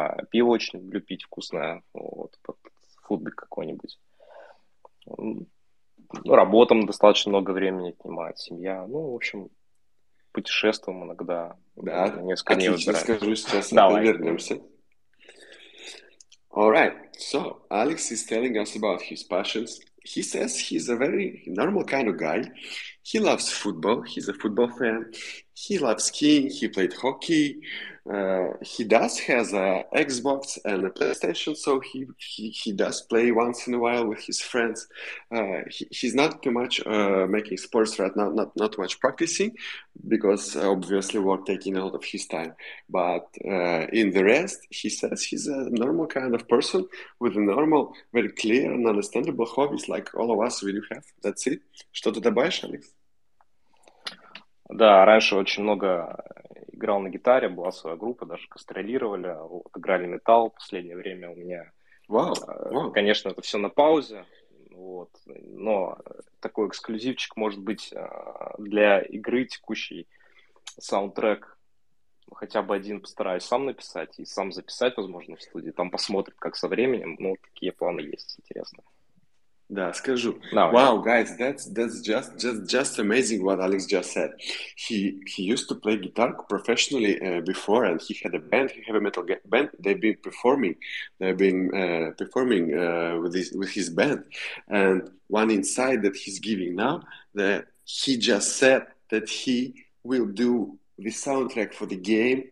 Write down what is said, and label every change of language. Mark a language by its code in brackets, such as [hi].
[ru] Пиво очень люблю пить вкусное, вот, под футбик какой-нибудь. Ну, работам достаточно много времени отнимает, семья. Ну, в общем, путешествуем иногда. Да, несколько отлично, скажу сейчас. Давай. Вернемся. [en] All right. So, Alex is telling us about his passions. He says he's a very normal kind of guy. He loves football. He's a football fan. He loves skiing. He played hockey. He does has a Xbox and a PlayStation, so he does play once in a while with his friends. He's not too much making sports right now, not too much practicing, because obviously work taking a lot of his time. But in the rest, he says he's a normal kind of person with a normal, very clear and understandable hobbies like all of us we do have. That's it. [ru] Что ты добавишь, Алекс? Да, раньше очень много играл на гитаре, была своя группа, даже кастрюлировали, вот, играли металл. В последнее время у меня, конечно, это все на паузе, вот, но такой эксклюзивчик, может быть, для игры текущий саундтрек, хотя бы один постараюсь сам написать и сам записать, возможно, в студии, там посмотрим, как со временем, но такие планы есть, интересно. Да, скажу. [en] No. Wow, guys, that's just amazing what Alex just said. He used to play guitar professionally before, and he had a band, he had a metal band. They've been performing with his band, and one insight that he's giving now, that he just said that he will do the soundtrack for the game.